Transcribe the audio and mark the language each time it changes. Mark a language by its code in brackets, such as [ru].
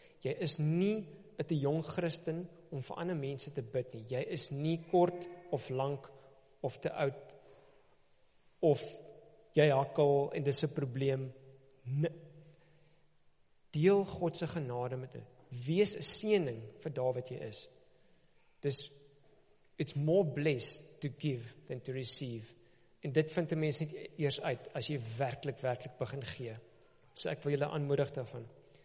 [af] Jy is nie 'n jong Christen om vir ander mense te bid nie. Jy is nie kort of lank of te oud of jy hakkel en dis 'n probleem. Deel God se genade met jou. Wees 'n seëning vir daar wat jy is. Dis [en] it's more blessed to give than to receive. [af] En dit vind 'n mens net eers uit as jy werklik begin gee. So ek wil julle aanmoedig daarvan.